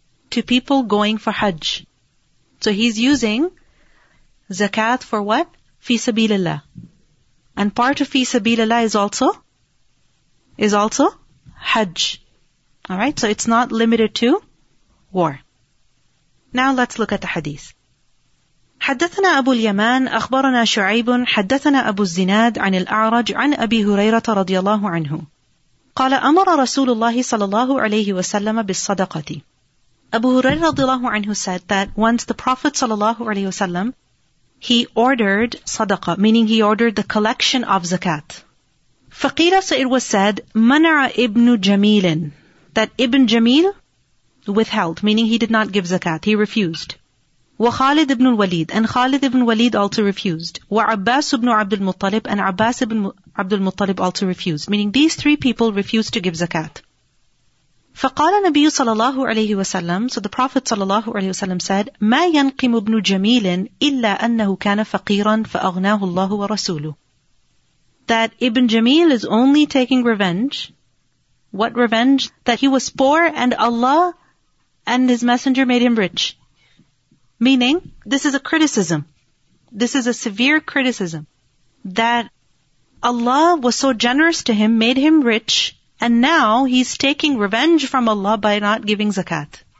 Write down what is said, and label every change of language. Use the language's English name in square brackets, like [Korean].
[English] To people going for hajj. So he's using zakat for what? Fi sabilillah. And part of fi sabilillah is also hajj. Alright, so it's not limited to war. Now let's look at the hadith. [Arabic] حدثنا أبو اليمان أخبرنا شعيب حدثنا أبو الزناد عن الأعرج عن أبي هريرة رضي الله عنه قال أمر رسول الله صلى الله عليه وسلم بالصدقة. [English] Abu Hurairah [Arabic] radiallahu anhu [English] said that once the Prophet [Arabic] sallallahu alayhi wasallam, [English] he ordered sadaqah, meaning he ordered the collection of zakat. [Arabic] Faqila, [English] so it was said, [Arabic] mana'a ibn Jamilin, [English] that Ibn Jamil withheld, meaning he did not give zakat, he refused. Wa Khalid ibn al-Walid, and Khalid ibn Walid also refused. Wa Abbas ibn Abdul Muttalib, and Abbas ibn Abdul Muttalib also refused, meaning these three people refused to give zakat. [Arabic] فَقَالَ نَبِيُّ صَلَى اللَّهُ عَلَيْهِ وَسَلَّمْ, [English] so the Prophet [Arabic] صلى الله عليه وسلم said, مَا يَنْقِمُ ابْنُ جَمِيلٍ إِلَّا أَنَّهُ كَانَ فَقِيرًا فَأَغْنَاهُ اللَّهُ وَرَسُولُهُ, [English] that Ibn Jamil is only taking revenge. What revenge? That he was poor and Allah and his messenger made him rich. Meaning, this is a criticism. This is a severe criticism. That Allah was so generous to him, made him rich, and now he's taking revenge from Allah by not giving zakat.